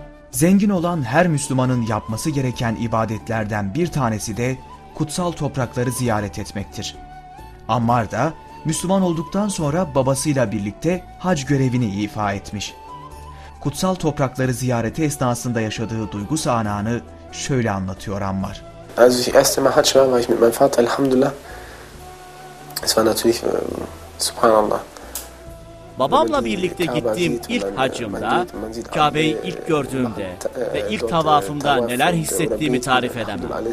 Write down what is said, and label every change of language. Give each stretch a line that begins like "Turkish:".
Turkish: Zengin olan her Müslümanın yapması gereken ibadetlerden bir tanesi de kutsal toprakları ziyaret etmektir. Ammar da Müslüman olduktan sonra babasıyla birlikte hac görevini ifa etmiş. Kutsal toprakları ziyareti esnasında yaşadığı duygu sahnanı şöyle anlatıyor Ammar.
German: Also ich erste Mal hac war ich mit meinem Vater, Alhamdulillah. Es war natürlich Subhanallah.
Turkish: Babamla birlikte gittiğim ilk hacımda, Kabe'yi ilk gördüğümde ve ilk tavafımda neler hissettiğimi tarif edemem.